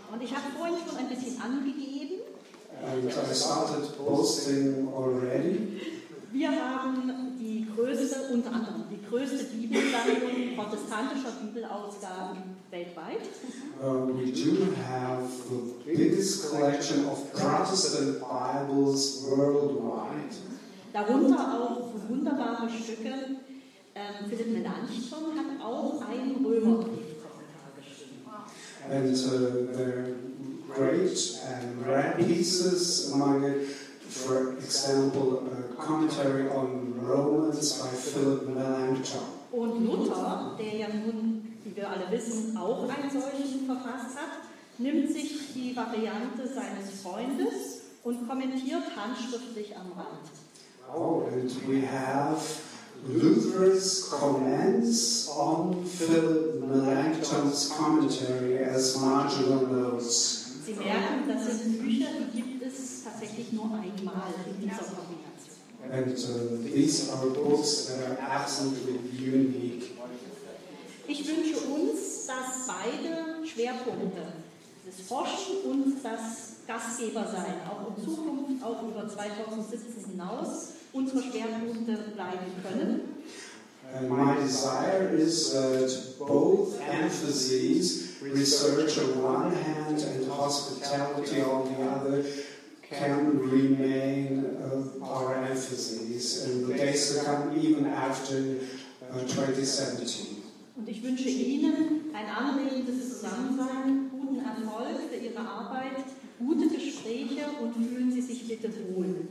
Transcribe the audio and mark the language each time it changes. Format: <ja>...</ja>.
<de>Und ich habe vorhin schon ein bisschen angegeben.</de> <en>And I started boasting already.</en> <de>Wir haben die größte, unter anderem die größte Bibelsammlung protestantischer Bibelausgaben weltweit.</de> <en>We do have the biggest collection of Protestant Bibles worldwide.</en> <de>Darunter auch wunderbare Stücke. Philipp Melanchthon hat auch einen Römerbriefkommentar geschrieben.</de> <en>And there are great and rare pieces among it. For example, a commentary on Romans by Philip Melanchthon.</en> <de>Und Luther, der ja nun, wie wir alle wissen, auch einen solchen verfasst hat, nimmt sich die Variante seines Freundes und kommentiert handschriftlich am Rand.</de> <en>Oh, and we have Luther's comments on Philip Melanchthon's commentary as marginal notes.</en> <de>Sie merken, das sind Bücher, die gibt es tatsächlich nur einmal in dieser Kombination.</de> <en>And these are books that are absolutely unique.</en> <de>Ich wünsche uns, dass beide Schwerpunkte, das Forschen und das Gastgebersein, auch in Zukunft, auch über 2017 hinaus, unsere Schwerpunkte bleiben können.</de> <en>And my desire is that both emphases, research on one hand and hospitality on the other, can remain our emphases in the days to come, even after 2017.</en> <de>Und ich wünsche Ihnen ein anregendes Zusammensein, guten Erfolg für Ihre Ihrer Arbeit gute Gespräche und fühlen Sie sich bitte wohl.</de>